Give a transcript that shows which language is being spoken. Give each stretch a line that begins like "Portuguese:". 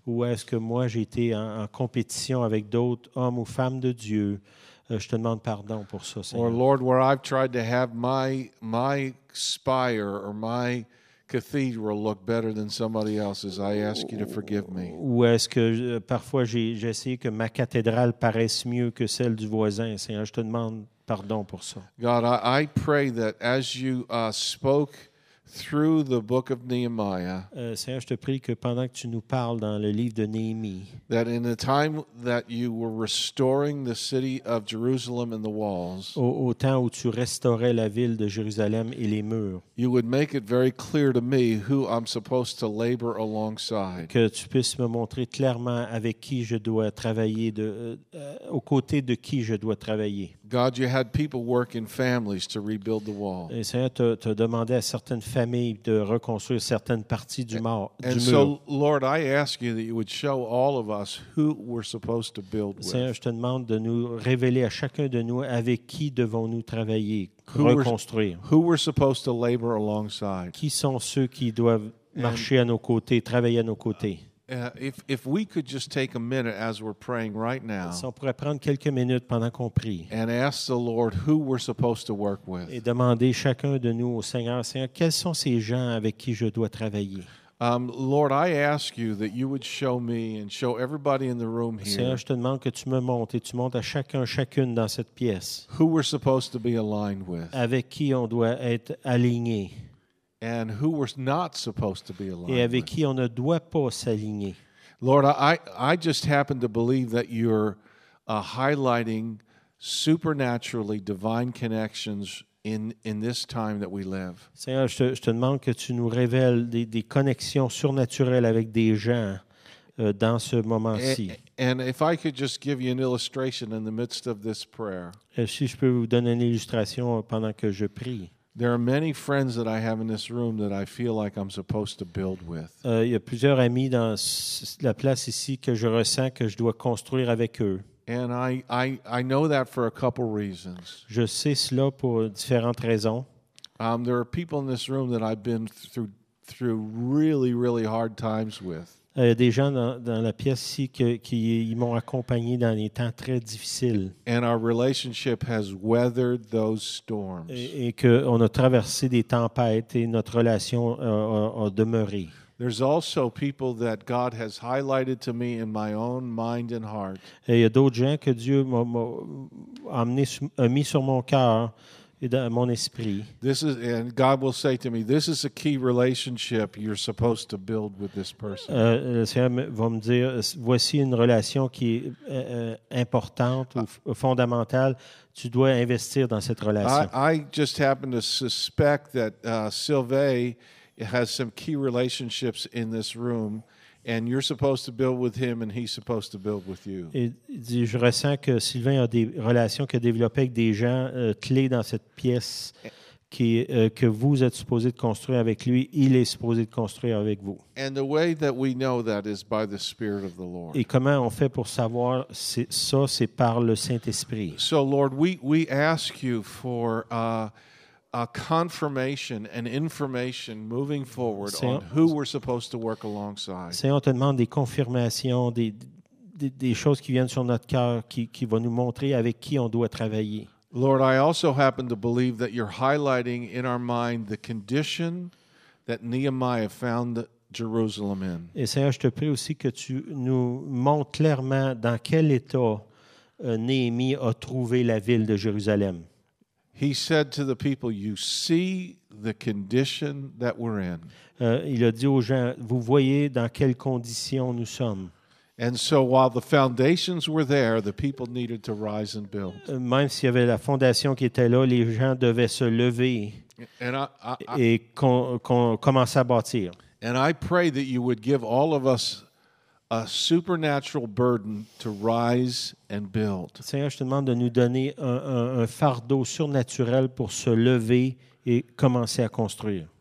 French: Où est-ce que moi j'ai été en compétition avec d'autres hommes ou femmes de Dieu? Je te demande pardon pour ça, Seigneur.
English: Or Lord, where I've tried to have my spire or my cathedral look better than somebody else's. I ask you to forgive me.
French: Ou est-ce que parfois j'essaie que ma cathédrale paraisse mieux que celle du voisin? Seigneur, je te demande pardon pour ça.
English: God, I pray that as you spoke through the book of Nehemiah,
French: Seigneur, je te prie que pendant que tu nous parles dans le livre de Néhémie,
English: that in the time that you were restoring the city of Jerusalem and the walls,
French: au temps où tu restaurais la ville de Jérusalem et les murs,
English: you would make it very clear to me who I'm supposed to labor alongside,
French: que tu puisses me montrer clairement avec qui je dois travailler, aux côtés de qui je dois travailler.
English: God, you had people work in families to rebuild the wall.
French: Et Seigneur, t'as demandé à certaines familles de reconstruire certaines parties du mur.
English: And so, Lord, I ask you that you would show all of us who we're supposed to build with.
French: Seigneur, je te demande de nous révéler à chacun de nous avec qui devons-nous travailler, reconstruire.
English: Who we're supposed to labor alongside.
French: Qui sont ceux qui doivent marcher à nos côtés, travailler à nos côtés.
English: If we could just take a minute as we're praying right now,
French: si on pourrait prendre quelques minutes pendant qu'on prie,
English: and ask the Lord who we're supposed to work with,
French: et demander chacun de nous au Seigneur, Seigneur, quels sont ces gens avec qui je dois travailler?
English: Lord, I ask you that you would show me and show everybody in the room here.
French: Seigneur, je te demande que tu me montres et tu montres à chacun, chacune dans cette pièce.
English: Who we're supposed to be aligned with?
French: Avec qui on doit être aligné?
English: And who we're not supposed to be aligned.
French: Et avec qui on ne doit pas s'aligner.
English: Lord, I just happen to believe that you're highlighting supernaturally divine connections in this time that we live.
French: Seigneur, je te demande que tu nous révèles des connexions surnaturelles avec des gens dans ce moment-ci.
English: And if I could just give you an illustration in the midst of this prayer.
French: Et si je peux vous donner une illustration pendant que je prie.
English: There are many friends that I have in this room that I feel like I'm supposed to build with.
French: Il y a plusieurs amis dans la place ici que je ressens que je dois construire avec eux.
English: And I know that for a couple reasons.
French: Je sais cela pour différentes raisons.
English: There are people in this room that I've been through really, really hard times with.
French: Il y a des gens dans la pièce ici qui m'ont accompagné dans des temps très difficiles.
English: And our relationship has weathered those storms.
French: Et qu'on a traversé des tempêtes et notre relation a demeuré.
English: There's also people that God has highlighted to me in my own mind and heart.
French: Et il y a d'autres gens que Dieu a mis sur mon cœur. Et dans mon esprit.
English: This is, and God will say to me, this is a key relationship you're supposed to build with this person.
French: Le Seigneur va me dire, voici une relation qui est importante ou fondamentale. Tu dois investir dans cette relation.
English: I just happen to suspect that Sylvain has some key relationships in this room. And you're supposed to build with him, and he's supposed to build with you.
French: Et je ressens que Sylvain a des relations qu'il a développées avec des gens clés dans cette pièce que vous êtes supposé de construire avec lui. Il est supposé de construire avec vous.
English: And the way that we know that is by the Spirit of the Lord.
French: Et comment on fait pour savoir ça? C'est par le Saint-Esprit.
English: So Lord, we ask you for a confirmation and information moving forward on who we're supposed to work alongside.
French: Seigneur, on te demande des confirmations, des choses qui viennent sur notre cœur, qui vont nous montrer avec qui on doit travailler.
English: Lord, I also happen to believe that you're highlighting in our mind the condition that Nehemiah found Jerusalem in.
French: Et Seigneur, je te prie aussi que tu nous montres clairement dans quel état Néhémie a trouvé la ville de Jérusalem.
English: He said to the people, "You see the condition that we're in."
French: Il a dit aux gens, vous voyez dans quelles conditions nous sommes.
English: And so, while the foundations were there, the people needed to rise and build.
French: Même s'il y avait la fondation qui était là, les gens devaient se lever et commencer à bâtir.
English: And I pray that you would give all of us a supernatural burden to rise and build.
French: Seigneur, je te demande de nous donner un fardeau surnaturel pour se lever et commencer à construire.